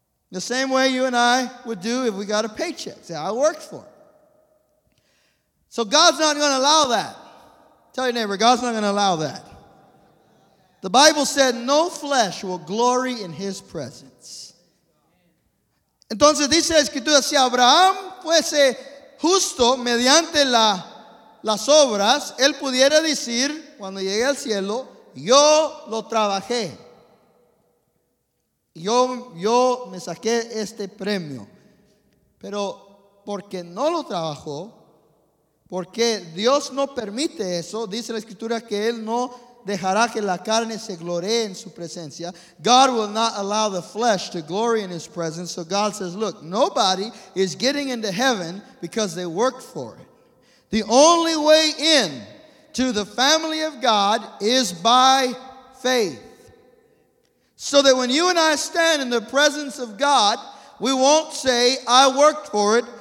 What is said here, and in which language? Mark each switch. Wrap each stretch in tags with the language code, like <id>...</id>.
<en>The same way you and I would do if we got a paycheck. Say, I worked for it. So God's not going to allow that. Tell your neighbor, God's not going to allow that. The Bible said, no flesh will glory in his presence.</en> <es>Entonces dice la Escritura, si Abraham fuese justo mediante las obras, él pudiera decir, cuando llegue al cielo, yo lo trabajé. Yo me saqué este premio. Pero porque no lo trabajó, porque Dios no permite eso, dice la Escritura que él no dejará que la carne se gloree en su presencia.</es> <en>God will not allow the flesh to glory in his presence. So God says, look, nobody is getting into heaven because they worked for it. The only way in to the family of God is by faith. So that when you and I stand in the presence of God, we won't say, I worked for it.</en>